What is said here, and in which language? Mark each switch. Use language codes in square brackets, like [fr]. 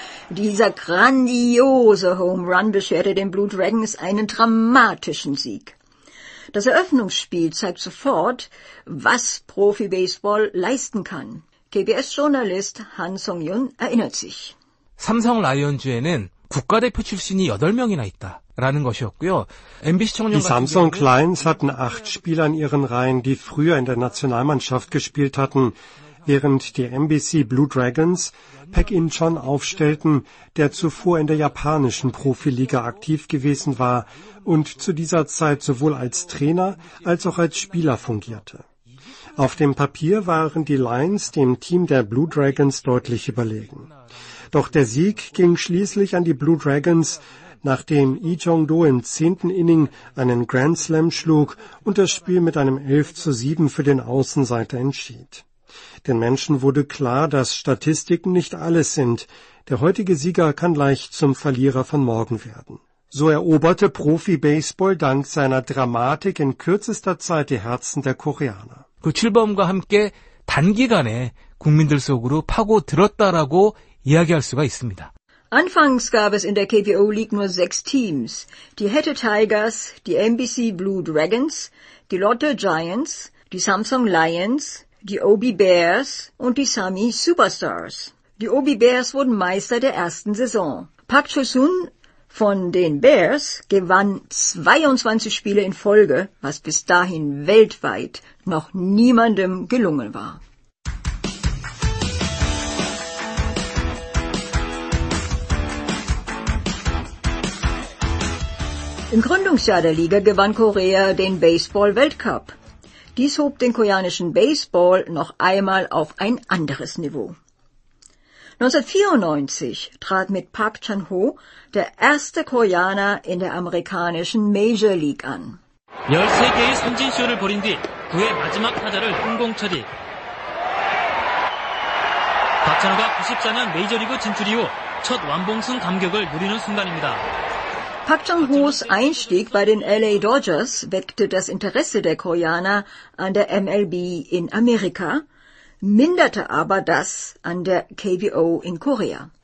[de] Dieser grandiose Home Run bescherte den Blue Dragons einen dramatischen Sieg. Das Eröffnungsspiel zeigt sofort, was Profi-Baseball leisten kann. KBS-Journalist Han Song-yun erinnert sich. [ko] Samsung Lions에는 국가대표 출신이 8명이나 있다라는 것이었고요. MBC 청년 같은 경우는 [de] Samsung Lions hatten 8 Spieler in ihren Reihen, die früher in der Nationalmannschaft gespielt hatten, während die MBC Blue Dragons Park In-chon aufstellten, der zuvor in der japanischen Profiliga aktiv gewesen war und zu dieser Zeit sowohl als Trainer als auch als Spieler fungierte. Auf dem Papier waren die Lions dem Team der Blue Dragons deutlich überlegen. Doch der Sieg ging schließlich an die Blue Dragons, nachdem Lee Jong-do im 10. Inning einen Grand Slam schlug und das Spiel mit einem 11-7 für den Außenseiter entschied. Den Menschen wurde klar, dass Statistiken nicht alles sind. Der heutige Sieger kann leicht zum Verlierer von morgen werden. So eroberte Profi-Baseball dank seiner Dramatik in kürzester Zeit die Herzen der Koreaner. [ko] 그 출범과 함께 단기간에 국민들 속으로 파고들었다라고 이야기할 수가 있습니다. [de] Anfangs gab es in der KBO League nur 6 Teams. Die Hetto Tigers, die MBC Blue Dragons, die Lotte Giants, die Samsung Lions, die OB Bears und die Sami Superstars. Die OB Bears wurden Meister der ersten Saison. Park Chul-sun von den Bears gewann 22 Spiele in Folge, was bis dahin weltweit noch niemandem gelungen war. Im Gründungsjahr der Liga gewann Korea den Baseball-Weltcup. Dies hob den koreanischen Baseball noch einmal auf ein anderes Niveau. 1994 trat mit Park Chan-ho der erste Koreaner in der amerikanischen Major League an. [ko] 13개의 선진쇼를 벌인 뒤 9회 마지막 타자를 홍공 처리. 박찬호가 94년 메이저리그 진출 이후 첫 완봉승 감격을 누리는 순간입니다. [de] Park Chan-ho's Einstieg bei den LA Dodgers weckte das Interesse der Koreaner an der MLB in Amerika, minderte aber das an der KBO in Korea.